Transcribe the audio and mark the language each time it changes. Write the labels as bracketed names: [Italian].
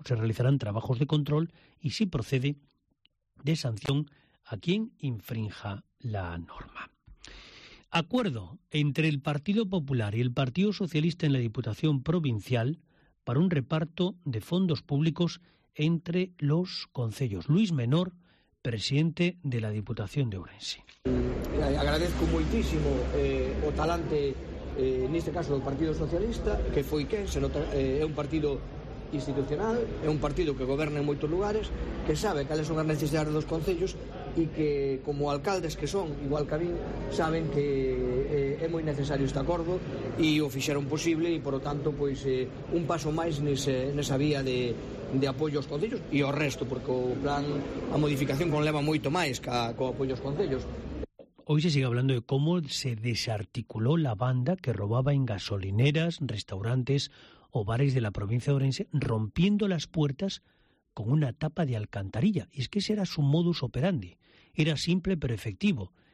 [Spanish] Se realizarán trabajos de control y, si procede, de sanción a quien infrinja la norma. Acuerdo entre el Partido Popular y el Partido Socialista en la Diputación Provincial para un reparto de fondos públicos entre los concellos. Luis Menor, presidente de la Diputación de Ourense. [Galician] Agradezco muchísimo o talante, en este caso, del Partido Socialista, que foi quen, se nota, é un partido institucional, é un partido que goberna en moitos lugares, que sabe cales son as necesidades dos concellos e que, como alcaldes que son, igual que a mim, saben que é moi necesario este acordo e o fixeron posible e, por lo tanto, pois, un paso máis nesa vía de apoio aos concellos e ao resto, porque o plan, a modificación conleva moito máis que co apoio aos concellos. [Spanish] Hoy se sigue hablando de cómo se desarticuló la banda que robaba en gasolineras, restaurantes o bares de la provincia de Orense, rompiendo las puertas con una tapa de alcantarilla. Y es que ese era su modus operandi. Era simple pero efectivo.